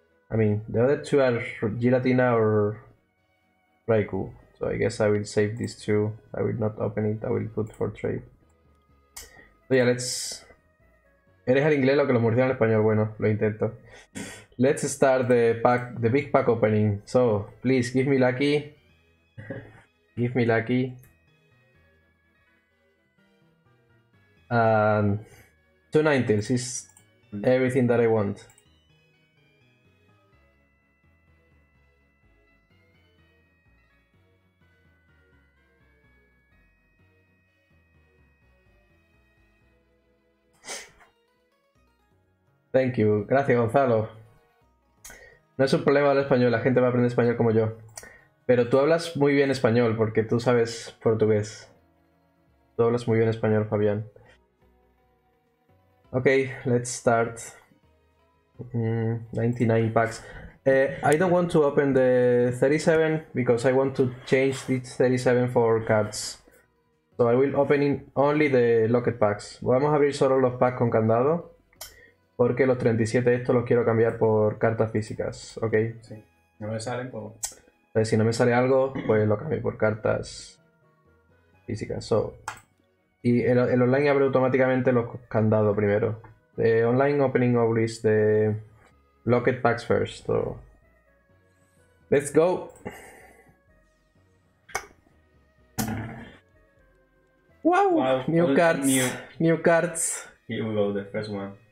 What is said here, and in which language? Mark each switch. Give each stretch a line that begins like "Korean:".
English: I mean, the other two are Giratina or Raikou. So I guess I will save these two. I will not open it, I will put for trade. So yeah, let's.
Spanish: Eres el inglés lo que los murcian en español, bueno, lo intento.
English: Let's start the pack, the big pack opening. So, please give me lucky. Give me lucky. And two Ninetales is everything that I want. Thank you.
Spanish: Gracias, Gonzalo. No es un problema hablar español, la gente va a aprender español como yo. Pero tú hablas muy bien español, porque tú sabes portugués. Tú hablas muy bien español, Fabián.
English: Ok, let's start. 99 packs. I don't want to open the 37, because I want to change this 37 for cards. So I will open in only the locked packs.
Spanish: Vamos a abrir solo los packs con candado. Porque los 37 estos los quiero cambiar por cartas físicas, ¿ok? Sí. No me salen, pues... Entonces, si no me sale algo, pues lo cambio por cartas físicas. So, y el online abre automáticamente los candados primero.
English: The online opening always the locked packs first. So, let's go. Wow, new cards. New cards. Here we go, the first one.